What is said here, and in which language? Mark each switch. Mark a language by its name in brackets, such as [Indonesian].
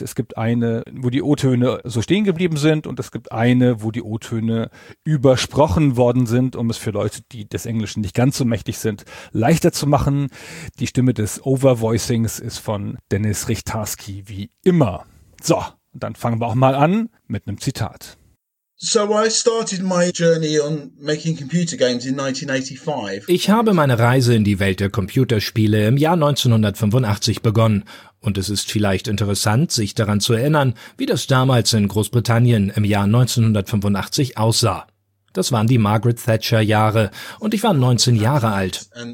[German] Es gibt eine, wo die O-Töne so stehen geblieben sind und es gibt eine, wo die O-Töne übersprochen worden sind, um es für Leute, die des Englischen nicht ganz so mächtig sind, leichter zu machen. Die Stimme des Overvoicings ist von Dennis Richtarski wie immer. So. Dann fangen wir auch mal an mit einem Zitat. [English] So I started my journey on making computer games in 1985. [German] Ich habe meine Reise in die Welt der Computerspiele im Jahr 1985 begonnen. Und es ist vielleicht interessant, sich daran zu erinnern, wie das damals in Großbritannien im Jahr 1985 aussah. Das waren die Margaret Thatcher Jahre und ich war 19 Jahre alt.